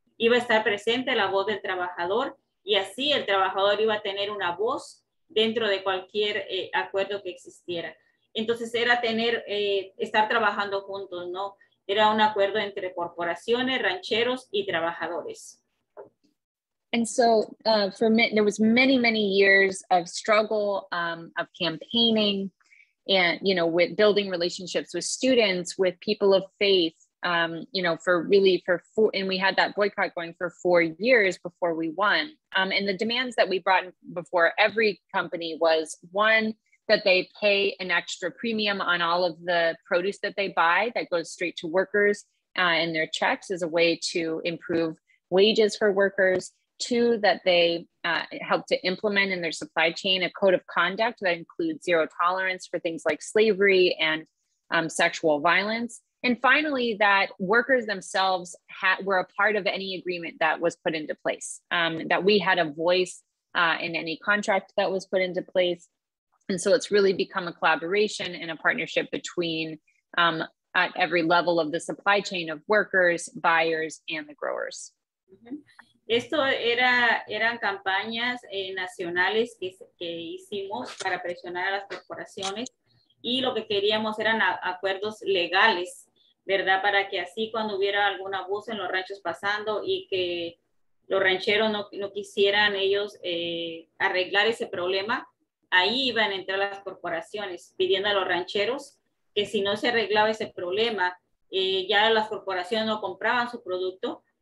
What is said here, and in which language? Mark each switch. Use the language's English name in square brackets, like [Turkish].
[Spanish] Iba a estar presente la voz del trabajador y así el trabajador iba a tener una voz dentro de cualquier acuerdo que existiera. Entonces era estar trabajando juntos, ¿no? Era un acuerdo entre corporaciones, rancheros y trabajadores. [English] And so there was many, many years of struggle, of campaigning, and, you know, with building relationships with students, with people of faith, you know, and we had that boycott going for 4 years before we won. And the demands that we brought before every company was, one, that they pay an extra premium on all of the produce that they buy that goes straight to workers and their checks as a way to improve wages for workers. Two, that they help to implement in their supply chain a code of conduct that includes zero tolerance for things like slavery and sexual violence. And finally, that workers themselves were a part of any agreement that was put into place, that we had a voice in any contract that was put into place. And so it's really become a collaboration and a partnership between at every level of the supply chain of workers, buyers, and the growers. Mm-hmm. [Spanish] Esto eran campañas nacionales que hicimos para presionar a las corporaciones y lo que queríamos eran acuerdos legales ¿verdad? Para que así cuando hubiera algún abuso en los ranchos pasando y que los rancheros no quisieran ellos arreglar ese problema, ahí iban a entrar las corporaciones pidiendo a los rancheros que si no se arreglaba ese problema, ya las corporaciones no compraban su producto.